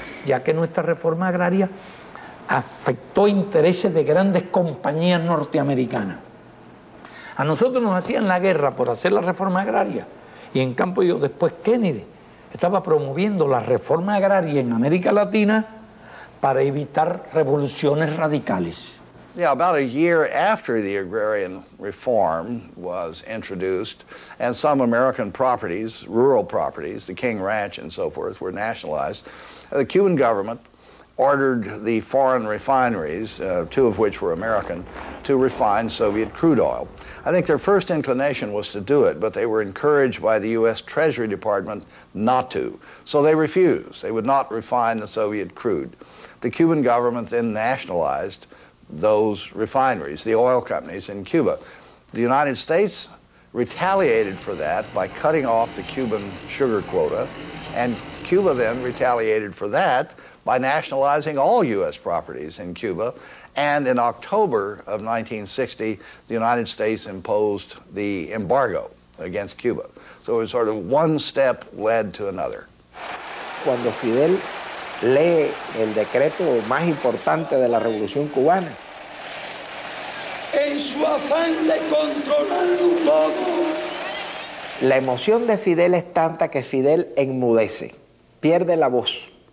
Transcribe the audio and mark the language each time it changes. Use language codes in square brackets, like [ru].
[es] Ya que nuestra reforma agraria afectó intereses de grandes compañías norteamericanas. A nosotros nos hacían la guerra por hacer la reforma agraria. Y en cambio yo después Kennedy estaba promoviendo la reforma agraria en América Latina para evitar revoluciones radicales. [en] Yeah, about a year after the agrarian reform was introduced, and some American properties, rural properties, the King Ranch and so forth, were nationalized, the Cuban government ordered the foreign refineries, two of which were American, to refine Soviet crude oil. I think their first inclination was to do it, but they were encouraged by the U.S. Treasury Department not to. So they refused. They would not refine the Soviet crude. The Cuban government then nationalized those refineries, the oil companies in Cuba. The United States retaliated for that by cutting off the Cuban sugar quota, and Cuba then retaliated for that by nationalizing all U.S. properties in Cuba. And in October of 1960, the United States imposed the embargo against Cuba. So it was sort of one step led to another. [es] Cuando Fidel lee el decreto más importante de la Revolución Cubana, en su afán de controlarlo todo, la emoción de Fidel es tanta que Fidel enmudece, pierde la voz.